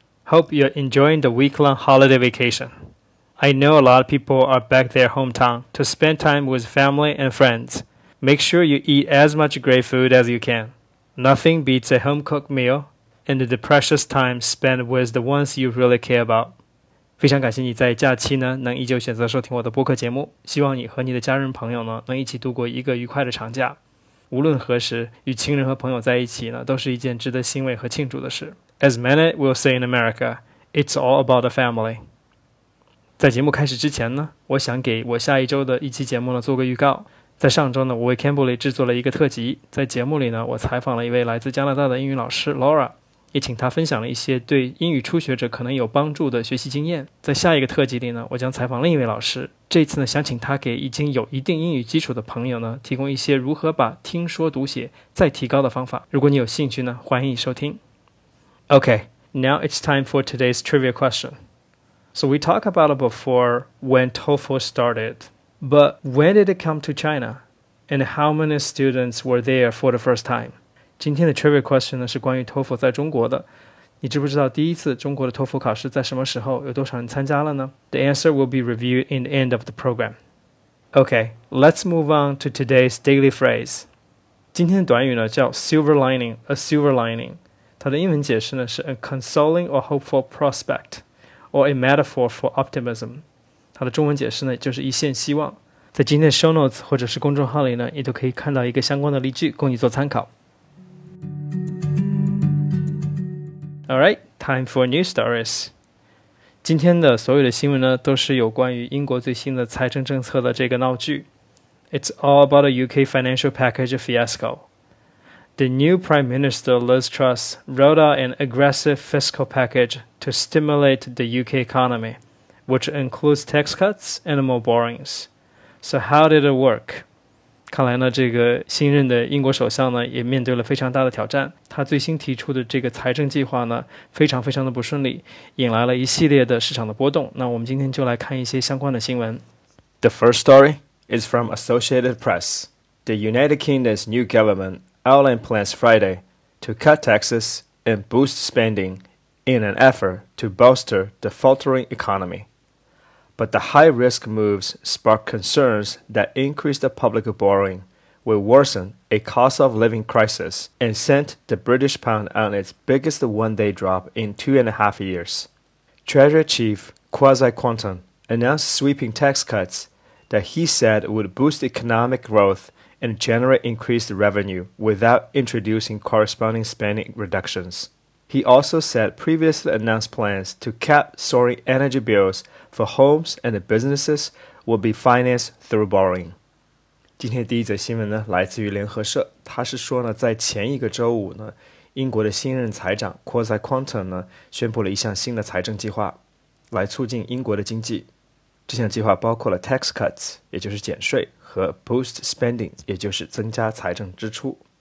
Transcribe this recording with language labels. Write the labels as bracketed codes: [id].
[en] Hope you're enjoying the week-long holiday vacation. I know a lot of people are back their hometown to spend time with family and friends. Make sure you eat as much great food as you can. Nothing beats a home-cooked meal and the precious time spent with the ones you really care about. [zh] 非常感谢你在假期呢能依旧选择收听我的播客节目，希望你和你的家人朋友呢能一起度过一个愉快的长假。无论何时与亲人和朋友在一起呢，都是一件值得欣慰和庆祝的事。 [en] As many will say in America, it's all about the family. [zh] 在节目开始之前呢，我想给我下一周的一期节目呢做个预告。在上周呢，我为 Cambly 制作了一个特辑，在节目里呢，我采访了一位来自加拿大的英语老师 Laura，也请他分享了一些对英语初学者可能有帮助的学习经验。在下一个特辑里呢，我将采访另一位老师，这次呢想请他给已经有一定英语基础的朋友呢提供一些如何把听说读写再提高的方法。如果你有兴趣呢，欢迎你收听。 [en] OK, now it's time for today's trivia question. So we talked about it before when TOEFL started, but when did it come to China? And how many students were there for the first time? [zh] 今天的 trivia question 呢是关于 TOEFL 在中国的。你知不知道第一次中国的 TOEFL 考试在什么时候，有多少人参加了呢？ [en] The answer will be reviewed in the end of the program. Okay, let's move on to today's daily phrase. [zh] 今天的短语呢叫 silver lining, a silver lining. 它的英文解释呢是 [en] a consoling or hopeful prospect, or a metaphor for optimism. [zh] 它的中文解释呢就是一线希望。在今天的 show notes 或者是公众号里呢，你都可以看到一个相关的例句供你做参考。 [en] Alright, time for news stories. [zh] 今天的所有的新闻呢都是有关于英国最新的财政政策的这个闹剧。 [en] It's all about a UK financial package fiasco. The new Prime Minister Liz Truss wrote out an aggressive fiscal package to stimulate the UK economy, which includes tax cuts and more borrowings. So how did it work? [zh] 看来呢，这个新任的英国首相呢，也面对了非常大的挑战。他最新提出的这个财政计划呢，非常非常的不顺利，引来了一系列的市场的波动。那我们今天就来看一些相关的新闻。 [en] The first story is from Associated Press. The United Kingdom's new government outlined plans Friday to cut taxes and boost spending in an effort to bolster the faltering economy. But the high-risk moves spark concerns that increased public borrowing will worsen a cost-of-living crisis and sent the British pound on its biggest one-day drop in 2.5 years. Treasury Chief Kwasi Kwarteng announced sweeping tax cuts that he said would boost economic growth and generate increased revenue without introducing corresponding spending reductions. He also said previously announced plans to cap soaring energy bills for homes and businesses will be financed through borrowing. [zh] 今天第一则新闻呢来自于联合社，他是说呢，在前一个周五呢，英国的新任财长 Kwasi Kwarteng 呢宣布了一项新的财政计划，来促进英国的经济。这项计划包括了 tax cuts， 也就是减税，和 boost spending， 也就是增加财政支出。